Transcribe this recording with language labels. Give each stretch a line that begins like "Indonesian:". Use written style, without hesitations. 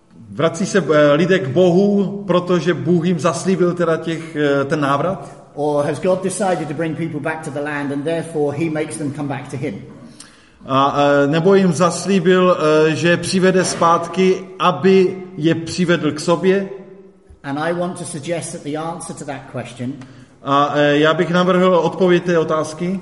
Czech: Vrací se lidé k Bohu, protože Bůh jim zaslíbil teda ten návrat?
English: Or has God decided to bring people back to the land, and therefore He makes them come back to Him?
Czech: Nebo jim zaslíbil, že přivede zpátky, aby je přivedl k sobě?
English: And I want to suggest that the answer to that question.
Czech: A já bych navrhl odpověď té otázky.